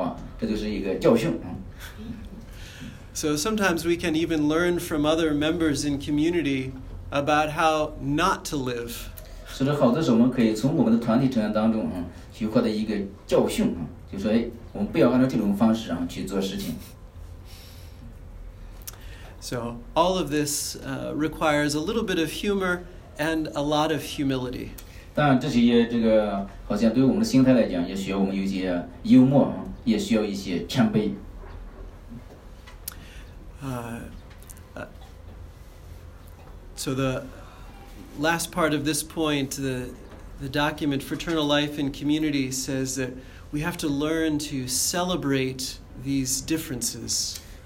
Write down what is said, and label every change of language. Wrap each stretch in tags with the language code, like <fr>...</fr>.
<zh>他说这个如果要是一个好像觉得重要的事情的话，或者就是我们有意义的教育的话，这就是一个教训。So</zh> <en>sometimes we can even learn from other members in community about how not to live.</en> <zh>所以好多时候我们可以从我们的团体成员当中学会的一个教训，就是说我们不要按照这种方式去做事情。</zh> <en>So all of this requires a little bit of humor and a lot of humility. So the last part of this point, the document Fraternal Life and Community says that we have to learn to celebrate these differences.</en>